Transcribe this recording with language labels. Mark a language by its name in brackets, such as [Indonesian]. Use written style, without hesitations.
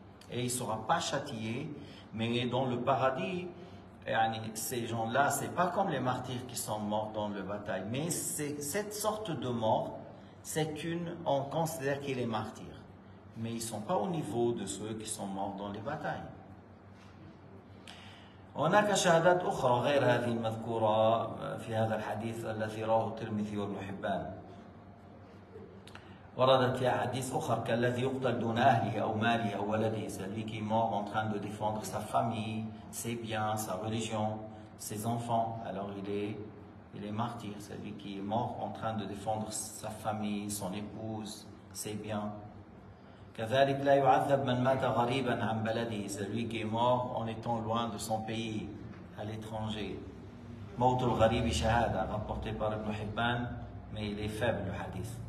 [French] Et il ne sera pas châtié, mais dans le paradis, ces gens-là, ce n'est pas comme les martyrs qui sont morts dans le bataille. Mais c'est, cette sorte de mort, c'est une, on considère qu'il est martyr. Mais ils ne sont pas au niveau de ceux qui sont morts dans les batailles. [Arabic] هناك شهادات أخرى غير هذه المذكورة في هذا الحديث الذي رواه الترمذي وابن حبان. وردت في حديث أخر كالذي يقتل دون أهله أو ماله أو ولده. [French] Celui qui mort en train de défendre sa famille, ses biens, sa religion, ses enfants. Alors il est martyr. Celui qui est mort en train de défendre sa famille, son épouse, ses biens. [Arabic] كذلك لا يعذب من مات غريبا عن بلده. [French] Celui qui est mort en étant loin de son pays, à l'étranger. [Arabic] موت الغريب شهادة, [French] rapporté par Ibn Hibban, mais il est faible le hadith.